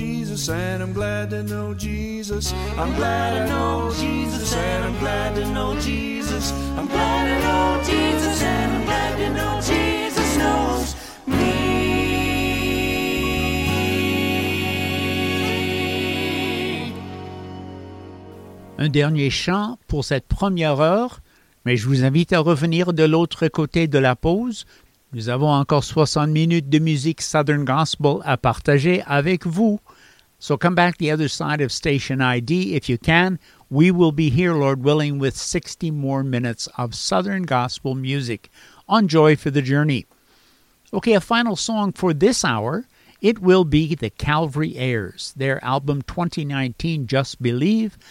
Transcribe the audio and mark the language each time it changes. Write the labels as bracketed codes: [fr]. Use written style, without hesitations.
[en] I'm glad I know Jesus, and I'm glad to know Jesus. I'm glad I know Jesus, and I'm glad to know Jesus knows me. [fr] Un dernier chant pour cette première heure, mais je vous invite à revenir de l'autre côté de la pause. Nous avons encore 60 minutes de musique Southern Gospel à partager avec vous. [en] So come back the other side of station ID if you can. We will be here, Lord willing, with 60 more minutes of Southern Gospel music on Joy for the Journey. Okay, a final song for this hour. It will be the Calvary Heirs, their album 2019, Just Believe.